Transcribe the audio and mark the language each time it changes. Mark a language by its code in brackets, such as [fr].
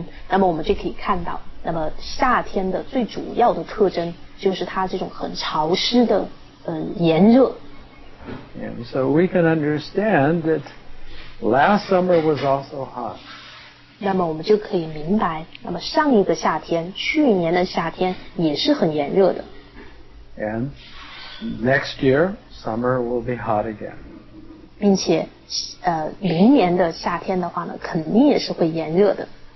[zh] 那么我们就可以看到，那么夏天的最主要的特征就是它这种很潮湿的炎热。 [en] And so we can understand that last summer was also hot. [zh] 那么我们就可以明白，那么上一个夏天，去年的夏天也是很炎热的。 [en] And next year, summer will be hot again. [zh] 并且，明年的夏天的话呢，肯定也是会炎热的。